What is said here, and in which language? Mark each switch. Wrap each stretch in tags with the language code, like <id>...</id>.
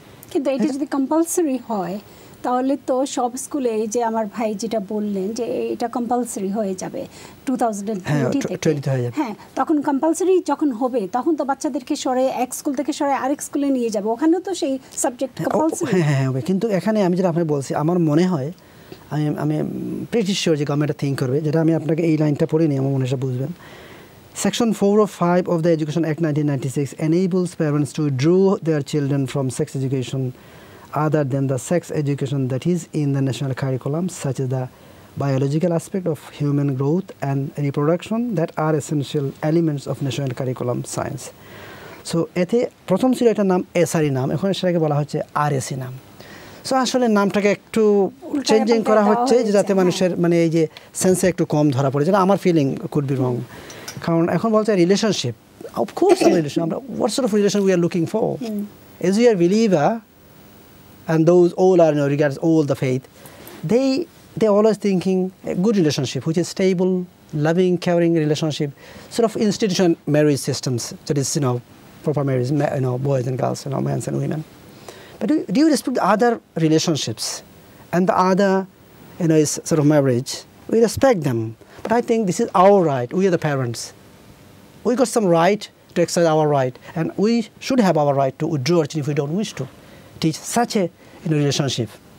<bn>কিন্তু এটা যদি কম্পালসারি হয় তাহলে তো সব স্কুলে, এই যে আমার ভাই যেটা বললেন যে এটা কম্পালসারি হয়ে যাবে 2020-তে, হ্যাঁ, তখন কম্পালসারি যখন হবে তখন তো বাচ্চাদেরকে সরে এক স্কুল থেকে সরে আরেক স্কুলে নিয়ে যাবে, ওখানেও তো সেই সাবজেক্ট কম্পালসারি। হ্যাঁ হ্যাঁ হবে, কিন্তু এখানে আমি যেটা আপনাকে বলছি, আমার মনে হয় আমি প্রিটি শিওর যে গভর্নমেন্ট থিঙ্ক করবে, যেটা আমি আপনাকে এই লাইনটা পড়িনি, আমার মনে হয় বুঝবেন,</bn> <en>Section 405 of the Education Act 1996 enables parents to withdraw their children from sex education other than the sex education that is in the national curriculum, such as the biological aspect of human growth and reproduction that are essential elements of national curriculum science.</en> <bn>So, এতে প্রথম ছিল এটা নাম এসআরই নাম, এখন সেটাকে বলা হচ্ছে আরএসই নাম. সো আসলে নামটাকে একটু চেঞ্জিং করা হচ্ছে যাতে মানুষের মানে এই যে সেন্সে একটু কম ধরা পড়ে, যেটা আমার ফিলিং কুড বি রং, কারণ এখন বলছে রিলেশনশিপ.</bn> <en>Of course relation, আমরা what sort of relation we are looking for as you are believer and those all are no regards all the faith, they always thinking a good relationship which is stable loving caring relationship sort of institution marriage systems that is you know proper marriage, you know, boys and girls, you know, men and women. But do you respect other relationships and the other, you know, is sort of marriage? We respect them. But I think this is our right. We are the parents. We got some right to exercise our right. And we should have our right to withdraw it if we don't wish to teach such a, you know, relationship.</en>